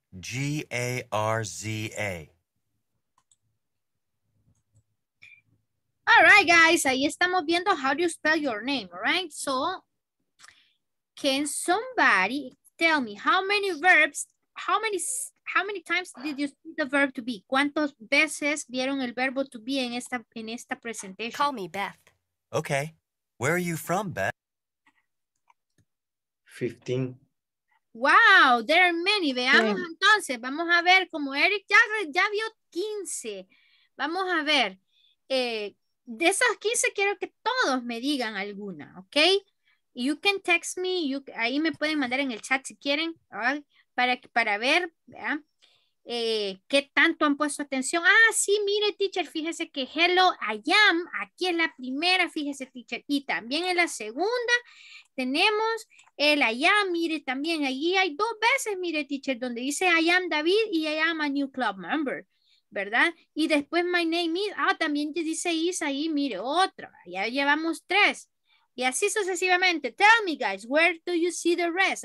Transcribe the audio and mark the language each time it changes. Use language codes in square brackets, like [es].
[en] Garza. All right, guys, [es] ahí estamos viendo [en] how do you spell your name, all right? So, can somebody tell me how many times did you see the verb to be? [es] ¿Cuántas veces vieron el verbo to be en esta presentation? [en] Call me Beth. Okay. Where are you from, Beth? 15. Wow, there are many. [es] Veamos entonces. Vamos a ver como Eric ya vio 15. Vamos a ver. De esas 15 quiero que todos me digan alguna, ¿ok? [en] You can text me, [es] ahí me pueden mandar en el chat si quieren, ¿vale? para ver, ¿verdad? ¿Qué tanto han puesto atención? Ah, sí, mire, teacher, fíjese que [en] hello, I am, [es] aquí en la primera, fíjese, teacher, y también en la segunda tenemos el I am, mire, también allí hay dos veces, mire, teacher, donde dice [en] I am David [es] y [en] I am a new club member. [es] ¿Verdad? Y después [en] my name is, [es] también te dice Isa ahí, mire, otra, ya llevamos tres. Y así sucesivamente. [en] Tell me, guys, where do you see the rest?